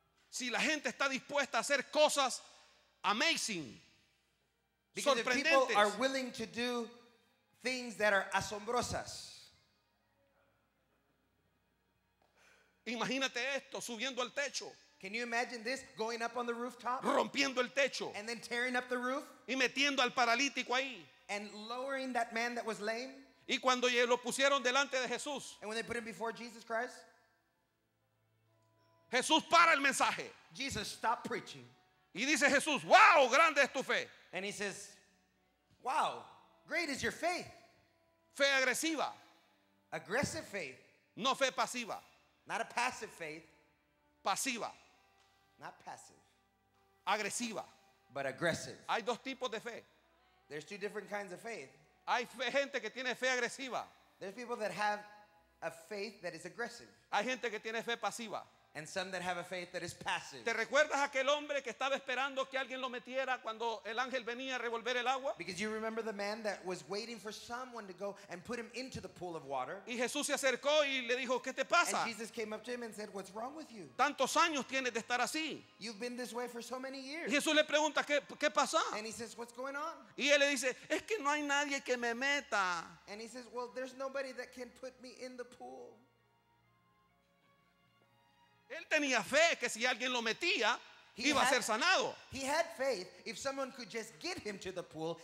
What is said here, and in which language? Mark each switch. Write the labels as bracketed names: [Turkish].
[Spanish] Si la gente está dispuesta a hacer cosas [English] amazing, because if people are willing to do things that are [Spanish] asombrosas, imagínate esto, subiendo al techo. [English] Can you imagine this, going up on the rooftop, [Spanish] rompiendo el techo, [English] and then tearing up the roof, [Spanish] y metiendo al paralítico ahí, [English] and lowering that man that was lame, [Spanish] y cuando lo pusieron delante de Jesús, [English] and when they put him before Jesus Christ, [Spanish] Jesús para el mensaje. [English] Jesus stopped preaching. [Spanish] Y dice Jesús, wow, grande es tu fe. [English] And he says, wow, great is your faith. [Spanish] Fe agresiva. [English] Aggressive faith. [Spanish] No fe pasiva. [English] Not a passive faith. [Spanish] Pasiva. [English] Not passive. [Spanish] Agresiva. [English] But aggressive. [Spanish] Hay dos tipos de fe. [English] There's two different kinds of faith. [Spanish] Hay gente que tiene fe agresiva. [English] There's people that have a faith that is aggressive. [Spanish] Hay gente que tiene fe pasiva. [English] And some that have a faith that is passive. [Spanish] ¿Te recuerdas aquel hombre que estaba esperando que alguien lo metiera cuando el ángel venía a revolver el agua? [English] Because you remember the man that was waiting for someone to go and put him into the pool of water. [Spanish] Y Jesús se acercó y le dijo, ¿qué te pasa? [English] And Jesus came up to him and said, what's wrong with you? [Spanish] Tantos años tienes de estar así. [English] You've been this way for so many years. [Spanish] Y Jesús le pregunta, ¿qué pasa? [English] And he says, what's going on? [Spanish] Y él le dice, es que no hay nadie que me meta. [English] And he says, well, there's nobody that can put me in the pool. [Spanish] Él tenía fe que si alguien lo metía iba a ser sanado. [English] He had faith if someone could just get him to the pool,